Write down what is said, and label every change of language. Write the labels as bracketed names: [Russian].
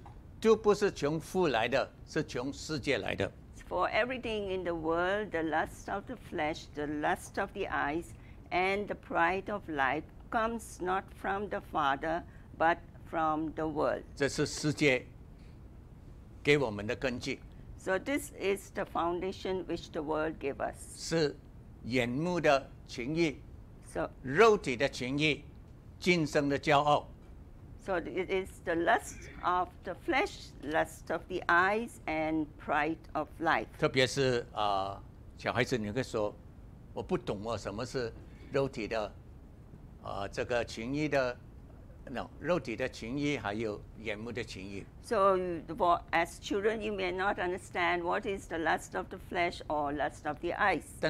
[Chinese] 凡世界上的事，像肉体的情欲、眼目的情欲，并今生的骄傲，就不是从父来的，是从世界来的。 [English] For everything in the world, the lust of the flesh, the lust of the eyes, and the pride of life comes not from the Father, but from the world. [Chinese] 这是世界给我们的根基。 [English] So this is the foundation which the world gave us. [Chinese] 是眼目的情欲， 肉体的情欲，今生的骄傲。 [English] So it is the lust of the flesh, lust of the eyes, and pride of life. [Chinese] 特别是小孩子，你会说，我不懂我什么是肉体的，这个情欲的。 [English] No, [Chinese] 肉体的情欲还有眼目的情欲。 [English] So for as children, you may not understand what is the lust of the flesh or lust of the eyes.